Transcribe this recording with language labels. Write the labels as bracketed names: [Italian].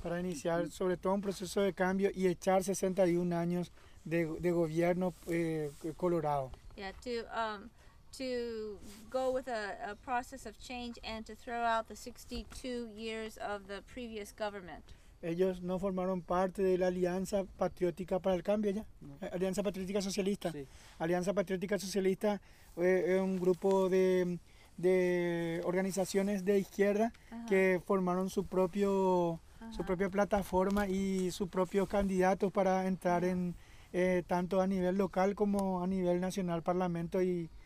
[Spanish] Para iniciar sobre todo un proceso de cambio y echar 61 años de gobierno colorado. [English] Yeah, to go with a process of change and to throw out the 62 years of the previous government. [Spanish] Ellos no formaron parte de la Alianza Patriótica para el Cambio, ¿ya? No. Alianza Patriótica Socialista. Sí. Alianza Patriótica Socialista es un grupo de organizaciones de izquierda que formaron su propia plataforma y sus propios candidatos para entrar en tanto a nivel local como a nivel nacional, parlamento y